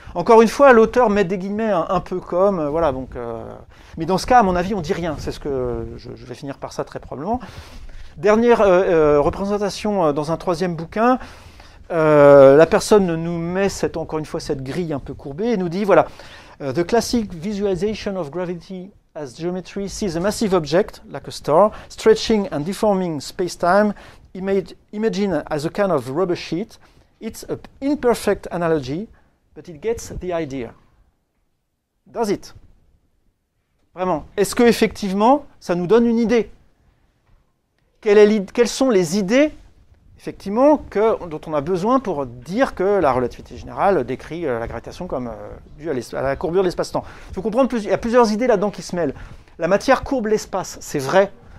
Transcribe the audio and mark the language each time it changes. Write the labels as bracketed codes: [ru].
[fr] Encore une fois, l'auteur met des guillemets un peu comme. Voilà, donc. Mais dans ce cas, à mon avis, on dit rien. C'est ce que. Je vais finir par ça très probablement. Dernière représentation dans un troisième bouquin. La personne nous met encore une fois cette grille un peu courbée et nous dit voilà, [en] The classic visualization of gravity. As geometry sees a massive object, like a star, stretching and deforming space-time, imagine as a kind of rubber sheet. It's an imperfect analogy, but it gets the idea. Does it? [fr] Vraiment. Est-ce que effectivement, ça nous donne une idée? Quelles sont les idées, effectivement, dont on a besoin pour dire que la relativité générale décrit la gravitation comme due à la courbure de l'espace-temps. Il faut comprendre, il y a plusieurs idées là-dedans qui se mêlent. La matière courbe l'espace, c'est vrai.